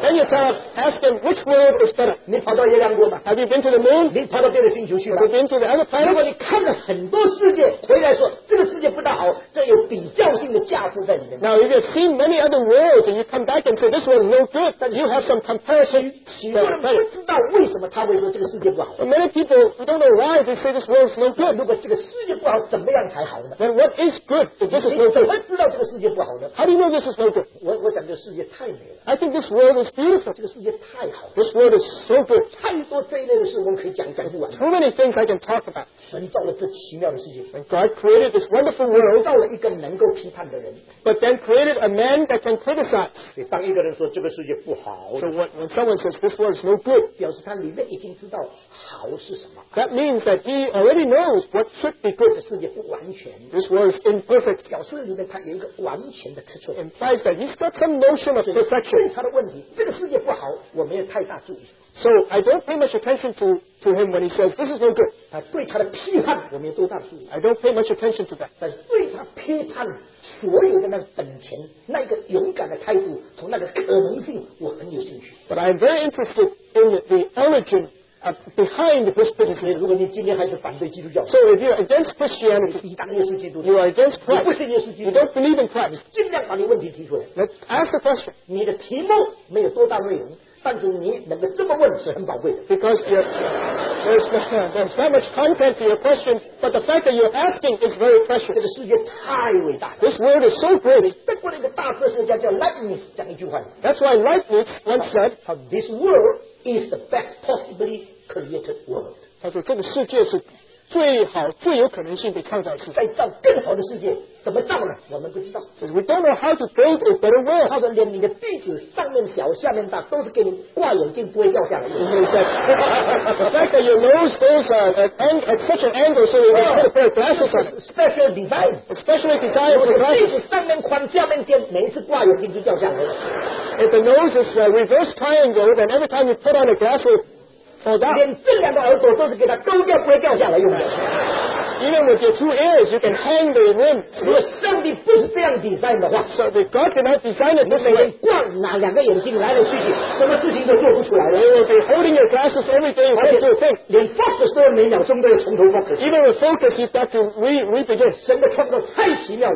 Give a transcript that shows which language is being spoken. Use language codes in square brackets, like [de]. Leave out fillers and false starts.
[en] Then you start asking which world is better. [zh] 你跑到月亮过吗？ [en] Have you been to the moon? [zh] 你跑到别的星球去吗？ [en] Have you been to the other planet? [zh] 如果你看了很多世界，回来说这个世界不大好，这有比较性的价值在里面。 [en] Now if you've seen many other worlds and you come back and say this world is no good, then you have some comparison. [zh] 许多人不知道为什么他会说这个世界不好。 [en] But many people who don't know why they say this world is no good. [zh] 如果这个世界不好，怎么样才好呢？ [en] Then what is good? If this is no good. [zh] 你怎么知道这个世界不好呢？ [en] How do you know this is no good? [zh] 我想这世界太美了。 [en] I think this world is beautiful. [zh] 这个世界太好了。 [en] This world is so good. [zh] 太多这一类的事我们可以讲不完。 [en] Too many things I can talk about. [zh] 神造了这奇妙的世界。 [en] When God created this wonderful world. [zh] 造了一个能够批判的人。 [en] But then created a man that can criticize. [zh] 当一个人说这个世界不好。 [en] So when someone says this world is no good. [zh] 表示他里面已经知道好是什么。 [en] That means that he already knows what should be good. [zh] 这世界不完全。 [en] This world is imperfect. [zh] 表示里面他有一个完全的尺寸。 [en] Implies that he's got some notion of perfection. [zh] 对他的问题，这个世界不好，我没有太大注意。 [en] So I don't pay much attention to him when he says this is no good. [zh] 他对他的批判，我没有多大注意。 [en] I don't pay much attention to that. [zh] 但是对他批判所有的那个本钱，那个勇敢的态度，从那个可能性，我很有兴趣。 [en] But I am very interested in the origin. Behind this business, [zh] 如果你今天还是反对基督教， [en] so if you're against Christianity, [zh] 你抵挡耶稣基督， [en] you are against Christ, [zh] 你不信耶稣基督， [en] you don't believe in Christ, [zh] 尽量把你问题提出来。 [en] Let's ask the question. [zh] 你的题目没有多大内容， 但是你能够这么问是很宝贵的。 [en] Because there's not much content to your question, but the fact that you're asking is very precious. [zh] 这个世界太伟大了。 [en] This world is so great. [zh] 德国的一个大哲学家叫 Leibniz 讲一句话， [en] That's why Leibniz once said, this world is the best possibly created world. [zh] 他说这个世界是最好、最有可能性被创造的世界。再造更好的世界，怎么造呢？我们不知道。 [en] We don't know how to build a better world. [zh] 他说连你的鼻子上面小、下面大，都是给你挂眼镜不会掉下来的。 [en] The fact that your nose goes at such an angle so you can put a pair of glasses on. Special design. Especially designed for glasses. [zh] 鼻子上面宽、下面尖，每一次挂眼镜就掉下来了。 [en] If the nose is a reverse triangle, then every time you put on a glass, [zh] 连这两个耳朵都是给它勾掉，不会掉下来用的。 [en] Even with your two ears, you can hang the limbs. If so God did not design it this way, you will be holding your glasses every day and trying to think. Even with focus, you've got to re-begin.